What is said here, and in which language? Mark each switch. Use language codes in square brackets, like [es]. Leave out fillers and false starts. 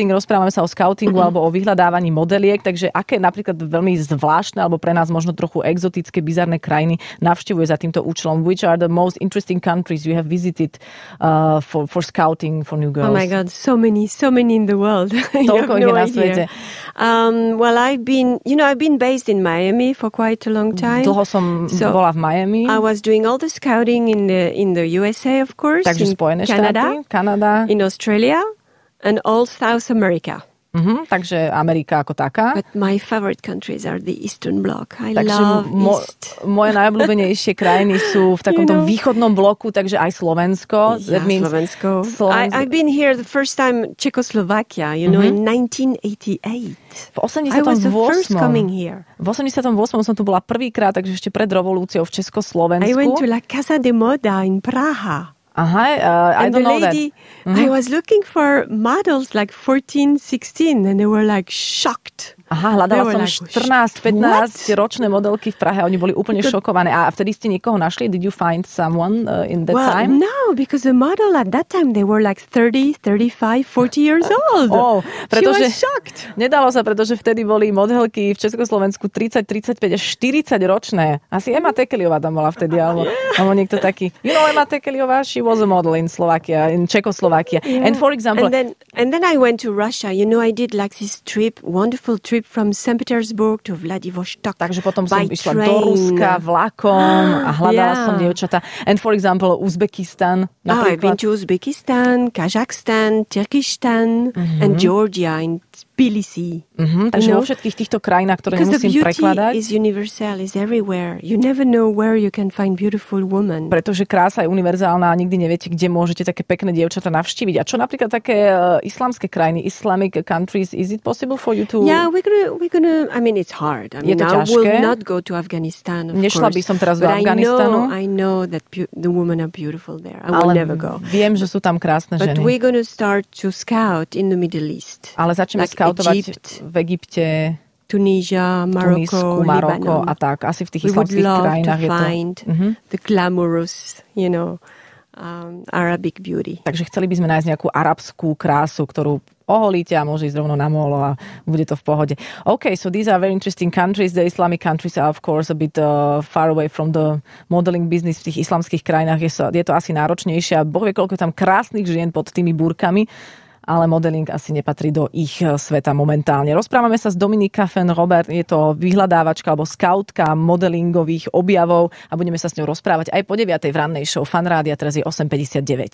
[sk] Rozprávame sa o scoutingu alebo o vyhľadávaní modeliek, takže aké napríklad veľmi zvláštne alebo pre nás možno trochu exotické, bizarné krajiny navštevuje za týmto účelom? [en] Which are the most interesting countries you have visited for scouting for new girls? Oh my god, so many in the world. [sk] Toľko no je na svete. [en] Well, I've been based in Miami for quite a long time. [sk] Dlho som so bola v Miami. [en] I was doing all the scouting in the USA, of course. [sk] Takže Spojené Kanada, štáty, Kanada. [en] In Australia. And all South America. [sk] Mm-hmm, takže Amerika ako taká. [en] But my favorite countries are the Eastern Bloc. I love East. [sk] Moje najobľúbenejšie krajiny sú v takomto východnom bloku, takže aj Slovensko. Slovensko. [en] I've been here the first time Czechoslovakia, in 1988. [sk] V 88. [en] I was the first coming here. [sk] V 88. som tu bola prvýkrát, takže ešte pred revolúciou v Československu. [en] I went to La Casa de Moda in Praha. I don't know that. I was looking for models like 14, 16 and they were like shocked. [sk] Aha, hľadala som 14, 15 ročné modelky v Prahe, oni boli úplne šokované. A vtedy ste niekoho našli? [en] Did you find someone in that time? Well, no, because the model at that time, they were like 30, 35, 40 years old. Oh, [sk] pretože, [en] she was shocked. [sk] Nedalo sa, pretože vtedy boli modelky v Československu 30, 35 a 40 ročné. Asi Emma Tekeliová tam bola vtedy, alebo niekto taký. [en] You know Emma Tekeliová? She was a model in Slovakia, in Czechoslovakia. Yeah. And for example... And then I went to Russia. You know, I did like this trip, wonderful trip from St. Petersburg to Vladivostok. [sk] Takže potom som išla do Ruska vlakom a hľadala som dievčatá. [en] And for example, Uzbekistan. Oh, I've been to Uzbekistan, Kazakhstan, Turkistan and Georgia in Tbilisi. Mm-hmm. [sk] Takže vo všetkých týchto krajinách, ktoré [en] because [sk] nemusím prekladať. [en] Because the beauty is universal, is everywhere. You never know where you can find beautiful woman. [sk] Pretože krása je univerzálna a nikdy neviete, kde môžete také pekné dievčatá navštíviť. A čo napríklad také islamské krajiny, [en] islamic countries, is it possible for you to... Yeah, we're gonna, I mean, it's hard. I mean, I will not go to Afghanistan, of [sk] nešla [en] course. [sk] By som teraz do Afganistanu. [en] I know that the women are beautiful there. I will never go. [sk] Viem, že sú tam krásne ženy. [en] But we're gonna start to scout in the Middle East. [sk] Ale začneme skautovať v Egypte, Tunisia, Maroko a tak. Asi v tých islamských krajinách je to... [en] We would love to find the glamorous, you know, Arabic beauty. [sk] Takže chceli by sme nájsť nejakú arabskú krásu, ktorú oholíte a môže ísť rovno na molo a bude to v pohode. [en] Okay, so these are very interesting countries. The Islamic countries are of course a bit far away from the modeling business. [sk] V tých islamských krajinách je to asi náročnejšie a Boh vie, koľko tam krásnych žien pod tými burkami. Ale modeling asi nepatrí do ich sveta momentálne. Rozprávame sa s Dominika Fenrobert, je to vyhľadávačka alebo skautka modelingových objavov a budeme sa s ňou rozprávať aj po 9. v rannej show Fan Rádia, teraz je 8.59.